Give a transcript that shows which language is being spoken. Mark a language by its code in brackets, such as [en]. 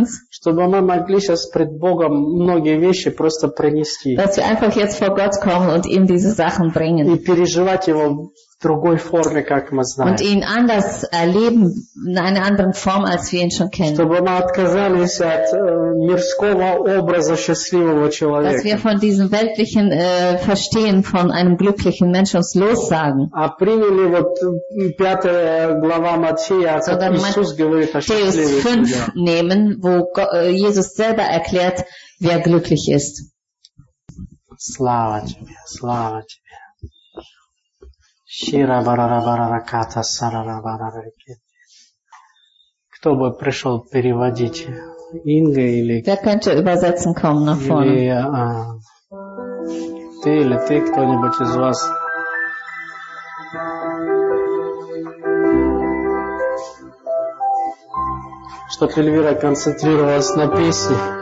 [ru] Чтобы мы могли сейчас пред Богом многие вещи просто принести. [de] Dass wir einfach jetzt vor Gott kommen und ihm diese Sachen bringen. [ru] И переживать его в другой форме, как мы знаем. [de] Und ihn anders erleben, in einer anderen Form, als wir ihn schon kennen. [ru] Чтобы мы отказались от мирского образа счастливого человека. [de] Dass wir von diesem weltlichen Verstehen von einem glücklichen Menschen lossagen. [ru] А приняли вот пятая глава Матфея, как Иисус говорит о счастливых людях. [de] Matthäus 5 nehmen, wo Jesus selber erklärt, wer glücklich ist. [ru] Слава тебе, слава тебе. Шира барарабарараката сарарабарарикети. Кто бы пришел переводить? Инга или... [de] Wer könnte übersetzen kommen nach vorne? [ru] Ты или ты, кто-нибудь из вас? Чтоб Эльвира концентрировалась на песне.